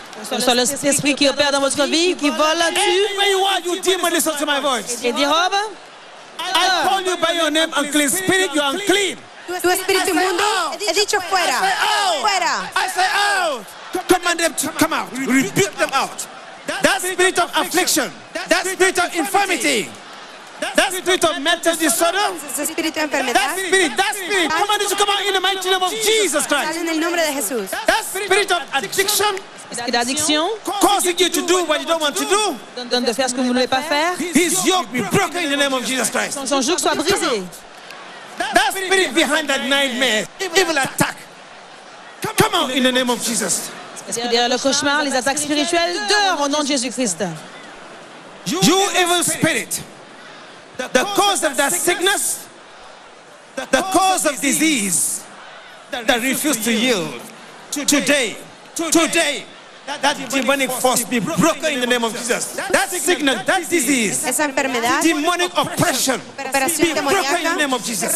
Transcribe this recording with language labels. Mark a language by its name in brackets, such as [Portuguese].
[French] Que soit l'esprit qui opère dans votre vie, qui vole là-dessus. Et dit Rob, [English] I call you by your name, unclean spirit, you are unclean. [Spanish] Tu espíritu inmundo, he dicho fuera. Fuera. [English] I say out. Command them to come out. Rebuke them out. That spirit of affliction, that spirit of infirmity, that spirit of mental disorder, that spirit, command it to come out in the mighty name of Jesus Christ. [Spanish] En el nombre de Jesús. [English] That spirit of addiction. [French] D'addiction, [English] causing you to do what you don't want to do. [French] Donne de faire ce que vous ne voulez pas faire. [English] His yoke be broken in the name of Jesus Christ. [French] Son joug soit brisé. [English] That spirit behind that nightmare, evil attack, come out in the name of Jesus. [French] Est-ce qu'il y a le cauchemar, les attaques spirituelles, dehors au nom de Jésus Christ. [English] You evil spirit, the cause of that sickness, the cause of disease, that refuse to yield today. Today, that demonic force be broken in the name of Jesus. That sickness, that disease, demonic oppression, be broken in the name of Jesus.